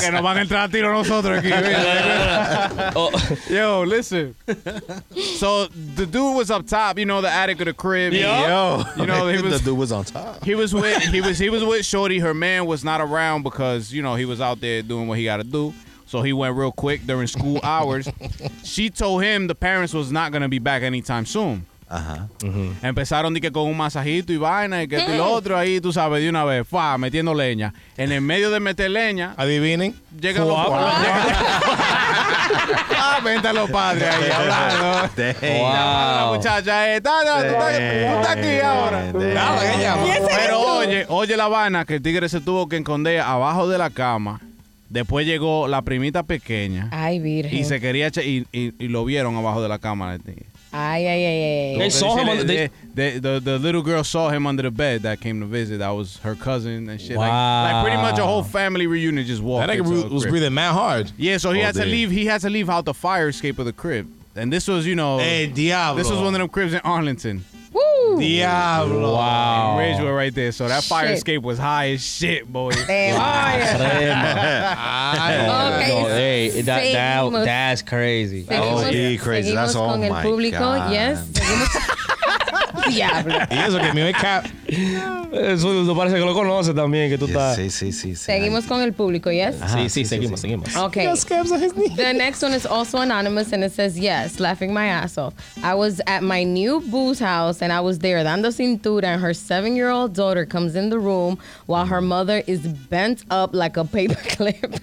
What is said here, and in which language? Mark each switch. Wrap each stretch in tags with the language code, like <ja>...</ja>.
<es>Que nos van a entrar a tiro nosotros aquí.</es> <en>Yo, listen. So the dude was up top, you know, the attic of the crib. Yo. You know, he was, the dude was on top. He was with Shorty. Her man was not around because, you know, he was out there doing what he got to do. So he went real quick during school hours. She told him the parents was not going to be back anytime soon. Uh-huh.</en> <es>Empezaron de que con un masajito y vaina y que el otro ahí, tú sabes, de una vez, fuá, metiendo leña. En el medio de meter leña. Adivinen. Llega a los ah, vente a los padres ahí hablando. Wow. La muchacha está, no, tú estás aquí ahora. Pero oye la vaina que el tigre se tuvo que esconder abajo de la cama. Después llegó la primita pequeña. Ay, virgen. Y se quería echar y lo vieron abajo de la cama. El tigre. Ay.</es> <en>They saw him. The little girl saw him under the bed that came to visit. That was her cousin and shit. Wow. Like pretty much a whole family reunion just walked. That nigga was breathing mad hard. Yeah, so he had to leave out the fire escape of the crib. And this was, you know, hey, Diablo. This was one of them cribs in Arlington. Woo! Diablo. Wow. In Ridgewood right there. So that fire escape was high as shit, boy. Fire. Okay. Hey, that's crazy. Oh, he crazy. That's all my</en> <es>público.</es> <en>God. Yes. Diablo.</en> <es>Y eso que me ve cap. Eso no parece que lo conoce también, que tú estás. Sí, sí, sí. Seguimos con el público, ¿yes? Sí, seguimos.</es> <en>Okay. The next one is also anonymous and it says, yes, laughing my ass off. I was at my new boo's house and I was there dando cintura and her 7-year-old daughter comes in the room while her mother is bent up like a paperclip.</en>